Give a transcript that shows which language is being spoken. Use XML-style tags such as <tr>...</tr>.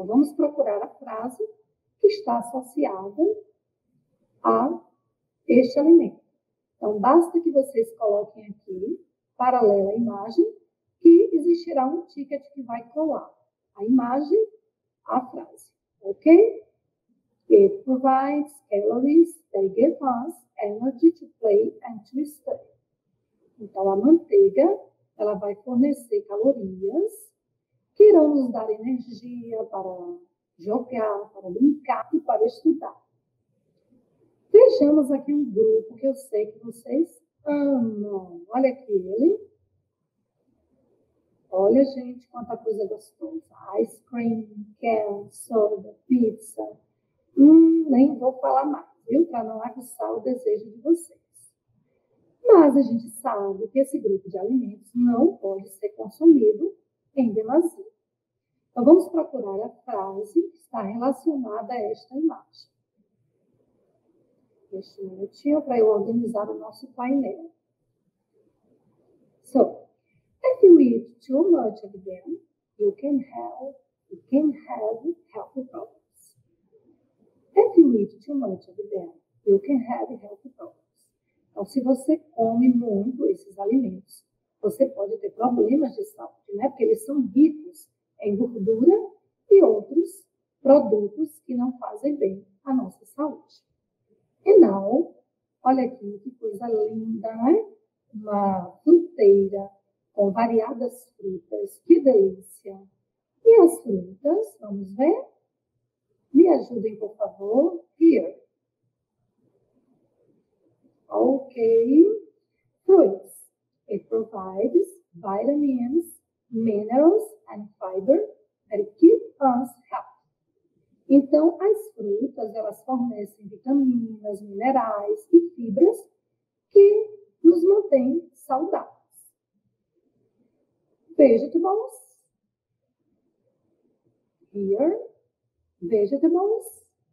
<pt>Então, vamos procurar a frase que está associada a este elemento. Então, basta que vocês coloquem aqui, paralelo à imagem, que existirá um ticket que vai colar a imagem à frase. Ok?</pt> <en>It provides calories that give us energy to play and to study.</en> <pt>Então, a manteiga, ela vai fornecer calorias que irão nos dar energia para jogar, para brincar e para estudar. Vejamos aqui um grupo que eu sei que vocês amam. Olha aqui ele. Olha, gente, quanta coisa gostosa.</pt> <en>Ice cream, can, soda,</en> <pt>pizza. Nem vou falar mais, viu? Para não aguçar o desejo de vocês. Mas a gente sabe que esse grupo de alimentos não pode ser consumido em demasia. Então, vamos procurar a frase que está relacionada a esta imagem. Deixa um minutinho para eu organizar o nosso painel.</pt> <en>So, if you eat too much of them, you can have health problems. If you eat too much of them, you can have health problems.</en> <pt>Então, se você come muito esses alimentos, você pode ter problemas de saúde, né? Porque eles são ricos em gordura e outros produtos que não fazem bem à nossa saúde. E now, olha aqui que coisa linda, né? Uma fruteira com variadas frutas, que delícia! E as frutas, vamos ver? Me ajudem, por favor, here.</pt> <en>Ok, fruits. It provides vitamins, minerals and fiber that keep us healthy.</en> <pt>Então, as frutas, elas fornecem vitaminas, minerais e fibras que nos mantêm saudáveis.</pt> <en>Vegetables. Here. Vegetables.</en>